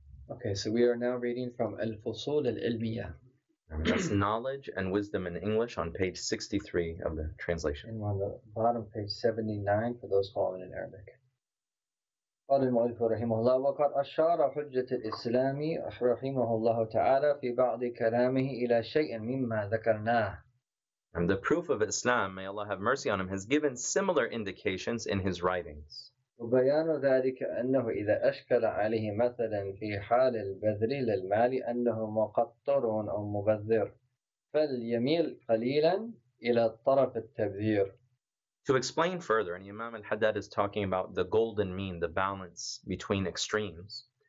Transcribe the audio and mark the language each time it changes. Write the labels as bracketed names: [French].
[English] Okay, so we are now reading from Al-Fusul Al-Ilmiyah. That's Knowledge and Wisdom in English on page 63 of the translation. And on the bottom, page 79, for those following in Arabic. [Arabic] قال المؤلف رحمه الله وقد أشار حجة الإسلام رحمه الله تعالى في بعض كلامه إلى شيء مما ذكرناه. [English] And the proof of Islam, may Allah have mercy on him, has given similar indications in his writings. [Arabic] وبيان ذلك أنه إذا أشكل عليه مثلا في حال البذل للمال أنه مقطر أو مبذر فليميل قليلا إلى طرف التبذير. [English] To explain further, and Imam al-Haddad is talking about the golden mean, the balance between extremes.